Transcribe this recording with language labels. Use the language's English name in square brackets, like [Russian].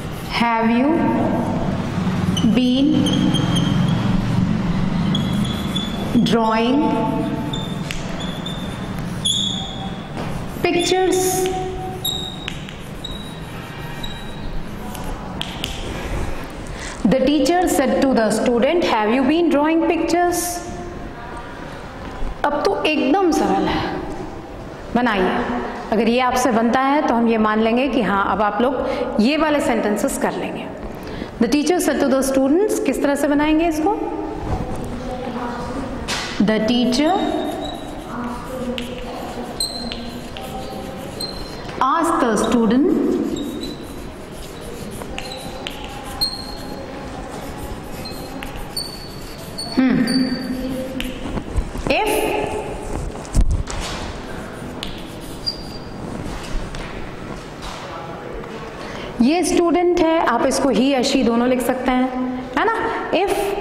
[English] have you been drawing pictures? The teacher said to the student, have you been drawing pictures? [Hindi] अब तो एकदम सरल है, बनाइए. अगर ये आपसे बनता है तो हम ये मान लेंगे कि हाँ, अब आप लोग ये वाले सेंटेंसेस कर लेंगे. [English] The teacher said to the students, [Hindi] किस तरह से बनाएंगे इसको? [English] The teacher ask the student, [Hindi] if ये student है, आप इसको he or she दोनों लिख सकते हैं, है ना, if